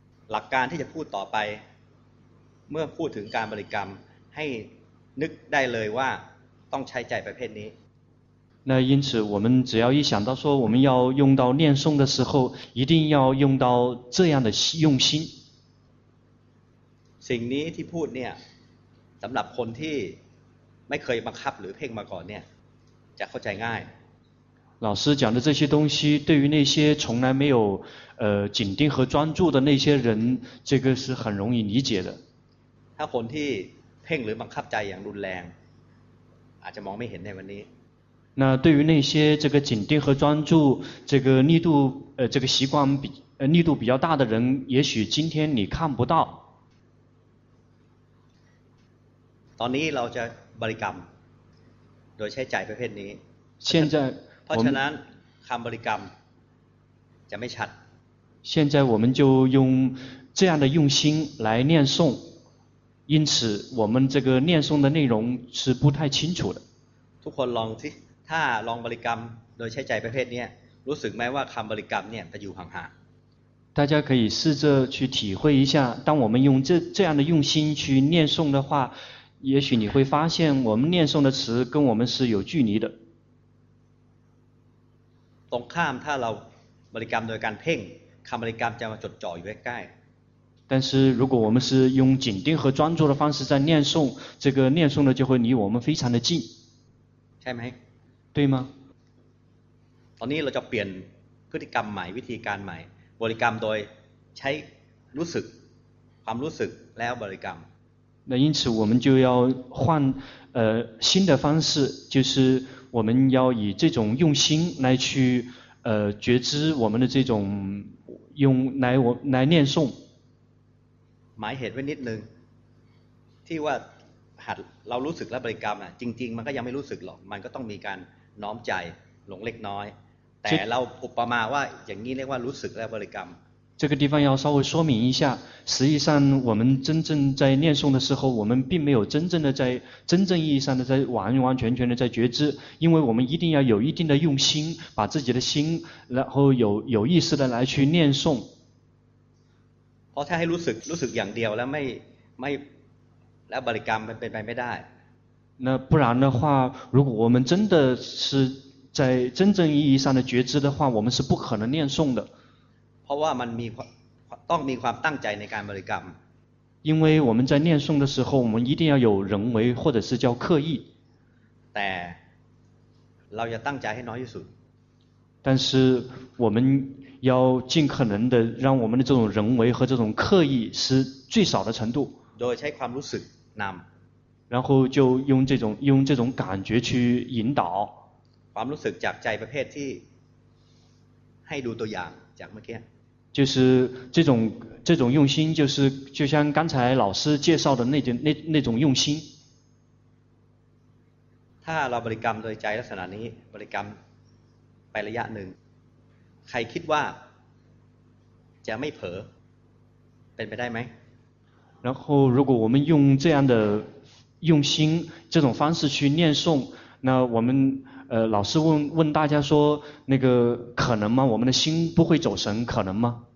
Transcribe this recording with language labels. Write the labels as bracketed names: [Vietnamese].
[Thai] หลักการที่จะพูดต่อไปเมื่อพูดถึงการบริกรรมให้นึกได้เลยว่าต้องใช้ใจประเภทนี้ [Chinese] 那因此我们只要一想到说我们要用到念诵的时候，一定要用到这样的用心。 [Thai] สิ่งนี้ที่พูดเนี่ยสำหรับคนที่ไม่เคยบังคับหรือเพ่งมาก่อนเนี่ยจะเข้าใจง่าย [Chinese] 老师讲的这些东西对于那些从来没有紧盯和专注的那些人这个是很容易理解的 [Thai] ถ้าคนที่เพ่งหรือบังคับใจอย่างรุนแรงอาจจะมองไม่เห็นในวันนี้ [Chinese] 那对于那些这个紧盯和专注这个力度这个习惯比力度比较大的人也许今天你看不到 [Thai] ตอนนี้เราจะบริกรรมโดยใช้ใจประเภทนี้ [Chinese] 现在 [Thai] เพราะฉะนั้นคำบริกรรมจะไม่ชัด [Chinese] 现在我们就用这样的用心来念诵因此我们这个念诵的内容是不太清楚的 [Thai] ทุกคนลองที่ถ้าลองบริกรรมโดยใช้ใจประเภทนี้รู้สึกไหมว่าคำบริกรรมเนี่ยจะอยู่ห่าง [Chinese] ๆ大家可以试着去体会一下当我们用 这样的用心去念诵的话也许你会发现我们念诵的词跟我们是有距离的 [Thai] ตรงข้ามถ้าเราบริกรรมโดยการเพ่งคำบริกรรมจะมาจดจ่ออยู่ใกล้ [Chinese] 但是如果我们是用紧盯和专注的方式在念诵这个念诵呢就会离我们非常的近 [Thai] ใช่ไหม [Chinese] 对吗 [Thai] ตอนนี้เราจะเปลี่ยนพฤติกรรมใหม่วิธีการใหม่บริกรรมโดยใช้รู้สึกความรู้สึกแล้วบริกรรม [Chinese] 那因此我们就要换新的方式就是我们要以这种用心来去觉知我们的这种用来我来念诵 [Thai] หมายเหตุไว้นิดนึงที่ว่าหัดเรารู้สึกและบริกรรมอ่ะจริงๆมันก็ยังไม่รู้สึกหรอกมันก็ต้องมีการน้อมใจหลงเล็กน้อยแต่เราอุปมาว่าอย่างนี้เรียกว่ารู้สึกและบริกรรม [Chinese] 这个地方要稍微说明一下实际上我们真正在念诵的时候我们并没有真正的在真正意义上的在完完全全的在觉知因为我们一定要有一定的用心把自己的心然后有意识的来去念诵 [Thai] เพราะถ้าให้รู้สึกอย่างเดียวแล้วไม่แล้วบริกรรมมันเป็นไปไม่ได้ [Chinese] 那不然的话如果我们真的是在真正意义上的觉知的话我们是不可能念诵的 [Thai] เพราะว่ามันมีต้องมีความตั้งใจในการบริกรรม [Chinese] 因为我们在念诵的时候我们一定要有人为或者是叫刻意 [Thai] แต่เราจะตั้งใจให้น้อยที่สุด [Chinese] 但是我们要尽可能的让我们的这种人为和这种刻意是最少的程度 [Thai] โดยใช้ความรู้สึกนำ [Chinese] 然后就用这种感觉去引导 [Thai] ความรู้สึกจากใจประเภทที่ให้ดูตัวอย่างจากเมื่อกี้ [Chinese] 就是这种用心就像刚才老师介绍的那种用心 [Thai] ถ้าเราบริกรรมโดยใจลักษณะนี้บริกรรมไประยะหนึ่งใครคิดว่าจะไม่เผลอเป็นไปได้ไหม [Chinese] 然后如果我们用这样的用心这种方式去念诵那我们老师问大家说那个可能吗我们的心不会走神可能吗